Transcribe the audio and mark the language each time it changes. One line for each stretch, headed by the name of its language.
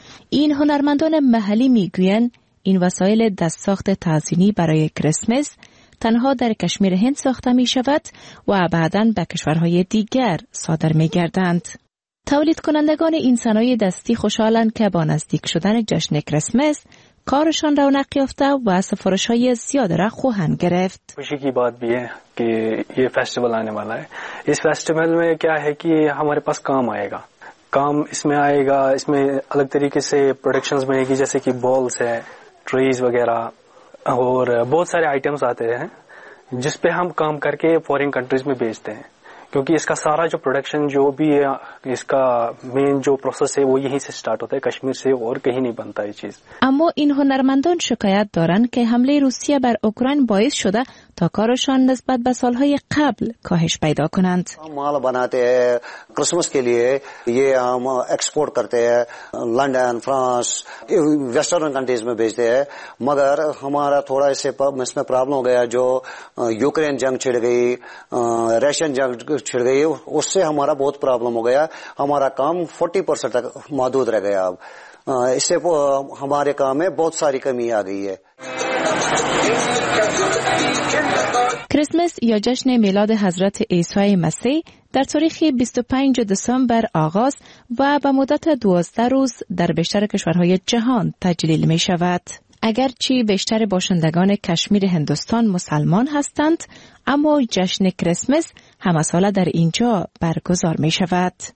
Persian: این هنرمندان محلی می‌گویند این وسایل دست ساخت تزیینی برای کریسمس تنها در کشمیر هند ساخته می شود و بعداً به کشورهای دیگر صادر می گردند. تولید کنندگان این صنایع دستی خوشحالند که با نزدیک شدن جشن کریسمس کارشان رونق یافته و سفارش های زیاد را خواهند گرفت.
Urdu: خوشی کی بات بیه که یه فستیوال آنے والا ہے. اس فستیوال میں کیا ہے کہ ہمارے پاس کام آئے گا. کام اس میں آئے گا، اس میں الگ طریقے سے پروڈکشنز بنے گی، جیسے کہ بالز ہے، ٹریز وغیرہ اور بہت سارے آئٹمز آتے ہیں جس پہ ہم کام کر کے فورین کنٹریز میں بیچتے ہیں، کیونکہ اس کا سارا جو پروڈکشن جو بھی ہے، اس کا مین جو پروسیس ہے وہ یہیں سے سٹارٹ ہوتا ہے، کشمیر سے اور کہیں نہیں بنتا یہ چیز.
Persian: اما ان ہنرمندوں شکایت دارن کہ حملے روسیہ بر اوکراین باعث شدہ تا کارشان نسبت به سالهای قبل کاهش پیدا کنند.
Urdu: مال بناتے ہیں کرسمس کے لیے، یہ ہم ایکسپورٹ کرتے ہیں لندن، فرانس، ویسٹرن کنٹریز میں بھیجتے ہیں، مگر ہمارا تھوڑا اس میں پرابلم ہو گیا، جو یوکرین جنگ چھڑ گئی، ریشن جنگ چھڑ گئی، اس سے ہمارا بہت پرابلم ہو گیا، ہمارا کام 40% تک محدود رہ گیا. اب اس سے ہمارے کام میں بہت ساری کمی آ گئی ہے.
Persian: کریسمس یا جشن میلاد حضرت عیسی مسیح در تاریخ 25 دسامبر آغاز و به مدت 12 روز در بیشتر کشورهای جهان تجلیل می شود. اگرچه بیشتر باشندگان کشمیر هندوستان مسلمان هستند، اما جشن کریسمس همساله در اینجا برگزار می شود.